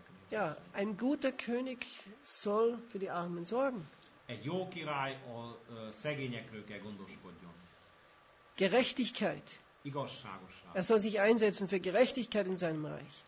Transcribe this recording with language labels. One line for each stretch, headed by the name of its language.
German: Ja, ein guter König soll für die Armen sorgen.
Hungarian: Egy jó király a szegényekről kell gondoskodjon.
German: Gerechtigkeit.
Hungarian: Igazságosság.
German: Er soll sich einsetzen für Gerechtigkeit in seinem Reich.